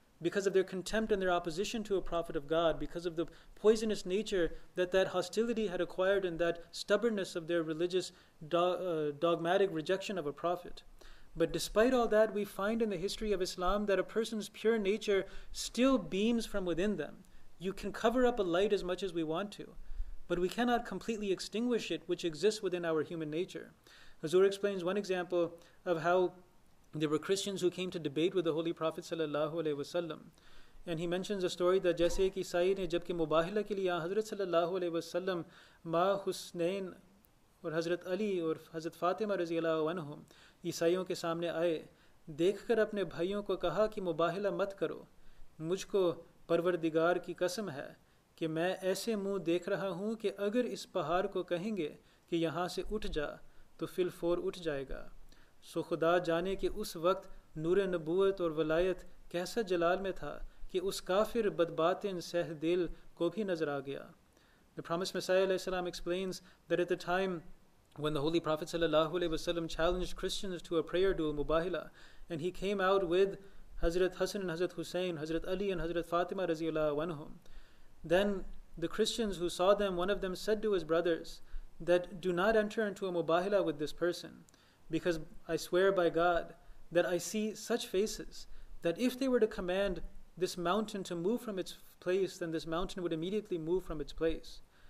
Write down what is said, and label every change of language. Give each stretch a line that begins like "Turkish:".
English: because of their contempt and their opposition to a prophet of God, because of the poisonous nature that that hostility had acquired and that stubbornness of their religious dogmatic rejection of a prophet. But despite all that, we find in the history of Islam that a person's pure nature still beams from within them. You can cover up a light as much as we want to, but we cannot completely extinguish it, which exists within our human nature. Hazur explains one example of how there were Christians who came to debate with the Holy Prophet sallallahu alaihi wasallam, and he mentions a story that
Urdu: jaise ek isai ne jab ke mubahila ke liye Hazrat sallallahu alaihi wasallam ma husnain aur Hazrat Ali aur Hazrat Fatima رضی اللہ عنہم عیسائیوں کے سامنے آئے, دیکھ کر اپنے بھائیوں کو کہا کہ مباہلہ مت کرو, مجھ کو پروردگار کی قسم ہے کہ میں ایسے منہ دیکھ رہا ہوں کہ اگر اس پہاڑ کو کہیں گے کہ یہاں سے اٹھ جا تو فی الفور اٹھ جائے گا. سو خدا جانے کہ اس وقت نور نبوت اور ولایت کیسا جلال میں تھا کہ اس کافر بدباطن سہ دل کو بھی نظر آ گیا.
English: The Promised Messiah علیہ السلام explains that at the time when the Holy Prophet sallallahu alaihi wasallam challenged Christians to a prayer duel, Mubahila, and he came out with Hazrat Hassan and Hazrat Hussein, Hazrat Ali and Hazrat Fatima رضی اللہ عنہم, then the Christians who saw them, one of them said to his brothers that do not enter into a Mubahila with this person, because I swear by God that I see such faces that if they were to command this mountain to move from its place, then this mountain would immediately move from its place.